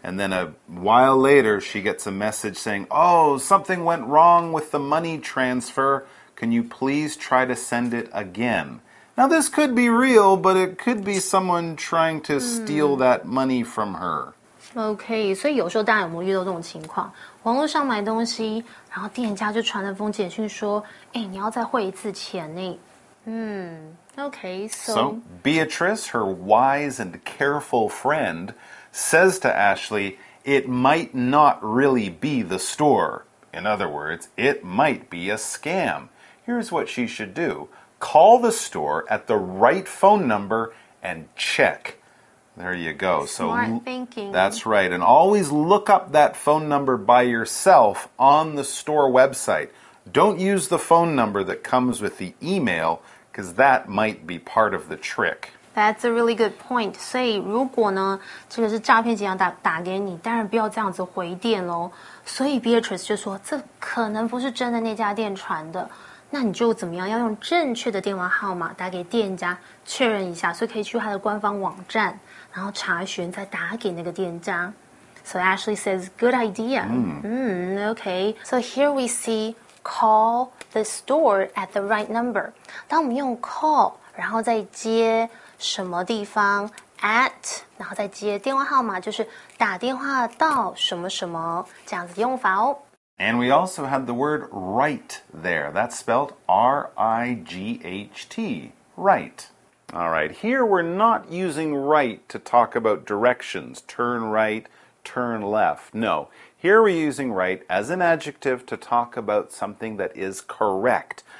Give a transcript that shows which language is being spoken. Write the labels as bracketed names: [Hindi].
[English] And then a while later she gets a message saying, oh, something went wrong with the money transfer. Can you please try to send it again? Now this could be real, but it could be someone trying to steal that money from her. [Chinese] Okay, 所以有时候当然我们遇到这种情况。网络上买东西，然后店家就传了封简讯说，哎，你要再汇一次钱呢。 [English] Okay, so Beatrice, her wise and careful friend, says to Ashley, it might not really be the store. In other words, it might be a scam. Here's what she should do. Call the store at the right phone number and check. There you go. Smart thinking. That's right. And always look up that phone number by yourself on the store website. Don't use the phone number that comes with the email,Because that might be part of the trick. That's a really good point. [Chinese] 所以如果呢，这个是诈骗集团打给你，当然不要这样子回电咯。所以 Beatrice 就说，这可能不是真的那家店传的。那你就怎么样，要用正确的电话号码打给店家，确认一下。所以可以去他的官方网站，然后查询，再打给那个店家。 [English] So Ashley says, good idea. Okay. So here we see... Call the store at the right number. [Chinese] 当我们用 call, 然后再接什么地方 at, 然后再接电话号码就是打电话到什么什么这样子的用法哦。 [English] And we also had the word right there. That's spelled R-I-G-H-T, right. All right, here we're not using right to talk about directions. Turn right, turn left. No. Here we're using right as an adjective to talk about something that is correct.